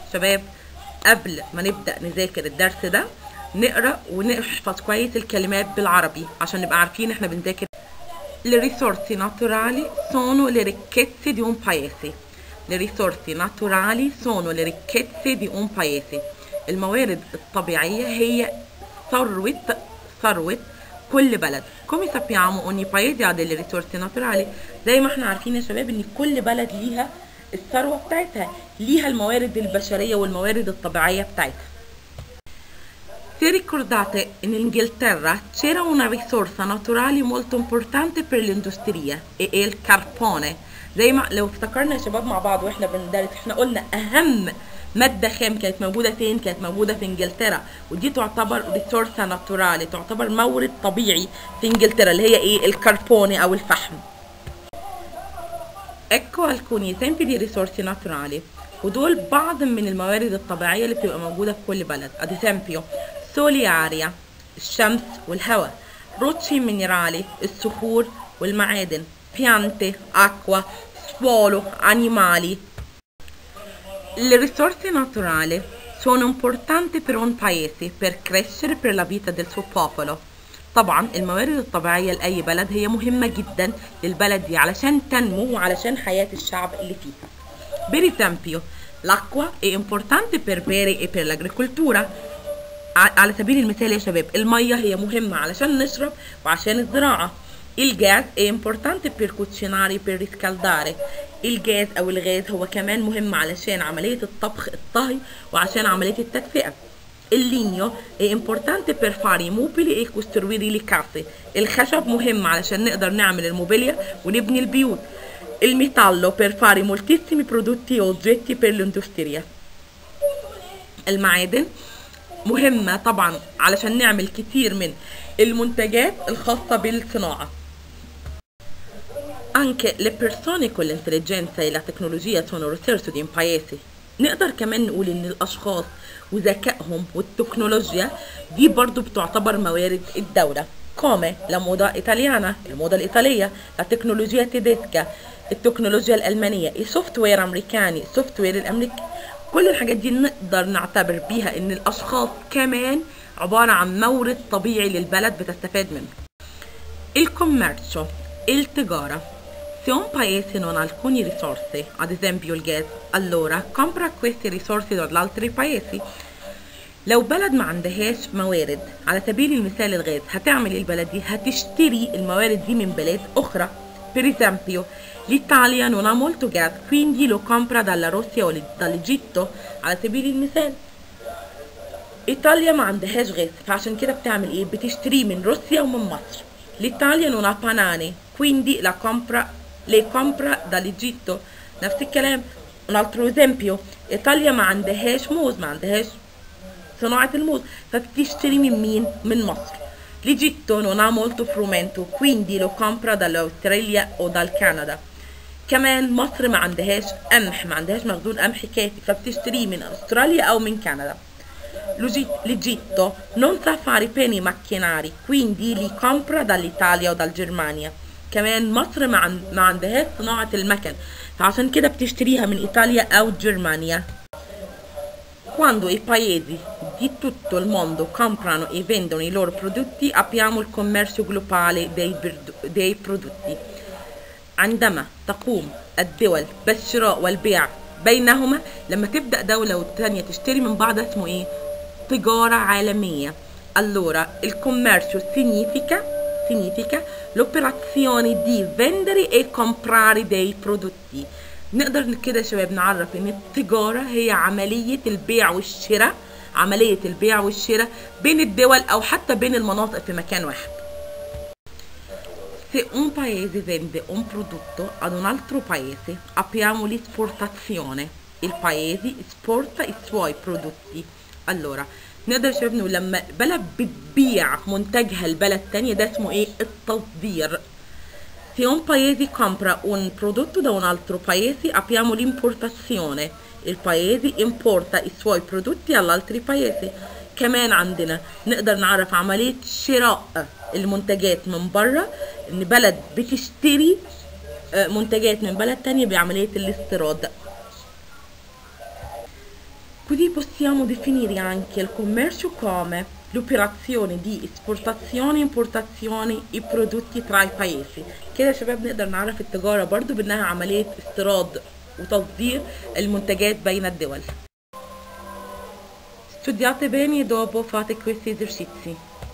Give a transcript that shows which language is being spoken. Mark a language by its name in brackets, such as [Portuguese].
[Arabic] شباب قبل ما نبدأ نذاكر الدرس ده نقرأ ونحفظ كويس الكلمات بالعربي عشان نبقى عارفين احنا بنذاكر. [Italian] Le risorse naturali sono le ricchezze di un paese. Le risorse naturali sono le ricchezze di un paese. [Arabic] الموارد الطبيعية هي ثروة كل بلد. [Italian] Come sappiamo, ogni paese ha delle risorse naturali. [Arabic] زي ما احنا عارفين يا شباب ان كل بلد ليها الثروة بتاعتها، ليها الموارد البشرية والموارد الطبيعية بتاعتها. [Italian] Se ricordate, in Inghilterra c'era una risorsa naturale molto importante per l'industria, e è il carbone. [Arabic] زي ما لو افتكرنا يا شباب مع بعض واحنا بندرس، احنا قلنا اهم مادة خام كانت موجودة فين؟ كانت موجودة في انجلترا، ودي تعتبر [Italian] ريسورسا ناتورالي، [Arabic] تعتبر مورد طبيعي في انجلترا، اللي هي ايه؟ الكربوني او الفحم. اكو [Italian] alcuni esempi di risorse naturali، [Arabic] ودول بعض من الموارد الطبيعية اللي بتبقى موجودة في كل بلد. [Italian] ad esempio soli aria، [Arabic] الشمس والهواء، [Italian] rocce minerali، [Arabic] الصخور والمعادن، [Italian] piante، acqua، suolo، animali. Le risorse naturali sono importanti per un paese, per crescere, per la vita del suo popolo. [Arabic] طبعا الموارد الطبيعية لأي بلد هي مهمة جدا للبلد دي علشان تنمو وعلشان حياة الشعب اللي فيها. [Italian] Per esempio, l'acqua è importante per bere e per l'agricoltura. [Arabic] على سبيل المثال يا شباب المية هي مهمة علشان نشرب وعشان الزراعة. [Italian] Il gas è importante per cucinare e per riscaldare. Il gas [Arabic] او الغاز هو كمان مهم علشان عملية الطبخ الطهي وعشان عملية التدفئة. [Italian] Il legno è importante per fare i mobili e costruire le case. [Arabic] الخشب مهم علشان نقدر نعمل الموبيليا ونبني البيوت. [Italian] Il metallo per fare moltissimi prodotti e oggetti per l'industria. [Arabic] المعادن مهمة طبعا علشان نعمل كتير من المنتجات الخاصة بالصناعة. [Italian] Anche le persone con l'intelligenza e la tecnologia sono risorse di un paese. [Arabic] نقدر كمان نقول ان الاشخاص وذكائهم والتكنولوجيا دي برضو بتعتبر موارد الدولة. [Italian] Come la moda italiana, la moda italiana, la tecnologia tedesca, [Arabic] التكنولوجيا الألمانية, [Italian] il software americani, il software الأمريكي. [Arabic] كل الحاجات دي نقدر نعتبر بيها ان الاشخاص كمان عبارة عن مورد طبيعي للبلد بتستفاد منه. [Italian] Il commercio, il tigara. Se un paese non ha alcune risorse, ad esempio il gas, allora compra queste risorse da altri paesi. [Arabic] لو بلد ما عندهاش موارد، على سبيل المثال الغاز، هتعمل البلد دي هتشتري الموارد دي من بلاد أخرى. [Italian] Per esempio, l'Italia non ha molto gas, quindi lo compra dalla Russia o dall'Egitto. [Arabic] على سبيل المثال، إيطاليا ما عندهاش غاز، فعشان كده بتعمل إيه؟ بتشتري من روسيا ومن مصر. [Italian] L'Italia non ha banane, quindi la compra le compra dall'Egitto. [Arabic] نفس الكلام. [Italian] Un altro esempio, Italia ma [Arabic] عندهاش موز، ما عندهاش صناعة الموز، فبتشتري من مين؟ من مصر. [Italian] L'Egitto non ha molto frumento, quindi lo compra dall'Australia o dal Canada. [Arabic] كمان مصر ما عندهاش قمح، ما عندهاش مخزون قمح كافي، فبتشتري من أستراليا أو من كندا. [Italian] L'Egitto non sa fare pene macchinari, quindi li compra dall'Italia o dal Germania. [Arabic] كمان مصر ما عندهاش صناعة المكن، فعشان كده بتشتريها من إيطاليا أو جرمانيا. [Italian] Quando i paesi di tutto il mondo comprano e vendono i loro prodotti, abbiamo il commercio globale dei prodotti. [Arabic] عندما تقوم الدول بالشراء والبيع بينهما، لما تبدأ دولة والتانية تشتري من بعض اسمه ايه؟ تجارة عالمية. [Italian] Allora, il commercio significa l'operazione di vendere e comprare dei prodotti. [Arabic] نقدر كده يا شباب نعرف ان التجارة هي عملية البيع والشراء، عملية البيع والشراء بين الدول او حتى بين المناطق في مكان واحد. [Italian] Se un paese vende un prodotto ad un altro paese, abbiamo l'esportazione. Il paese esporta i suoi prodotti. Allora, [Arabic] نقدر شباب نقول لما بلد بتبيع منتجها لبلد تانية ده اسمه ايه؟ التصدير. [Italian] Se un paese compra un prodotto da un altro paese, abbiamo l'importazione. Il paese importa i suoi prodotti all'altro paese. [Arabic] كمان عندنا نقدر نعرف عملية شراء المنتجات من بره، إن بلد بتشتري منتجات من بلد تانية بعملية الاستيراد. [Italian] Così possiamo definire anche il commercio come l'operazione di esportazione e importazione i prodotti tra i paesi. [Arabic] كده شباب نقدر نعرف التجارة برضو بأنها عملية استيراد وتصدير المنتجات بين الدول. [Italian] Studiate bene e dopo fate questi esercizi.